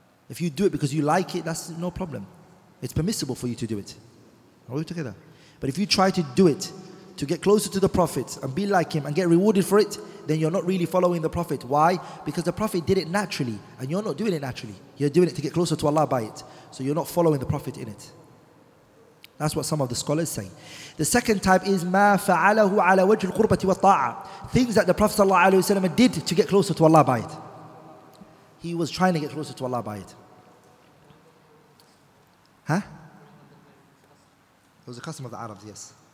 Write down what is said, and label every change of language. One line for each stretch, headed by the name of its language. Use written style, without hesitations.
English: If you do it because you like it, that's no problem. It's permissible for you to do it. Are we together? But if you try to do it to get closer to the Prophet and be like him and get rewarded for it, then you're not really following the Prophet. Why? Because the Prophet did it naturally and you're not doing it naturally. You're doing it to get closer to Allah by it. So you're not following the Prophet in it. That's what some of the scholars say. The second type is
Arabic: ما فعله على وجه القربة والطاعة.
English: Things that the Prophet ﷺ did to get closer to Allah by it. He was trying to get closer to Allah by it. Huh? It was a custom of the Arabs, yes.